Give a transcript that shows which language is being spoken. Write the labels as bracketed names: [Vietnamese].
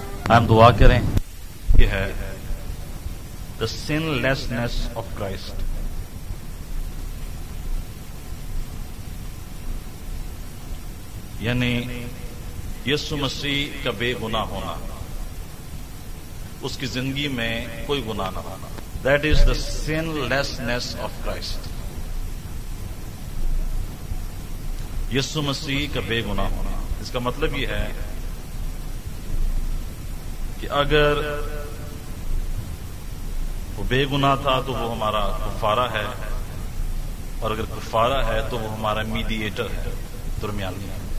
[Urdu] ہم دعا کریں. یہ ہے [English] The sinlessness of Christ. [Urdu] یعنی یسوع مسیح کا بے گناہ ہونا، اس کی زندگی میں کوئی گناہ نہ ہونا. [English] That is the sinlessness of Christ. [Urdu] یسوع مسیح کا بے گناہ ہونا، اس کا مطلب یہ ہے کہ اگر وہ بے گناہ تھا تو وہ ہمارا کفارہ ہے، اور اگر کفارہ ہے تو وہ ہمارا میڈیئیٹر ہے، درمیانی ہے.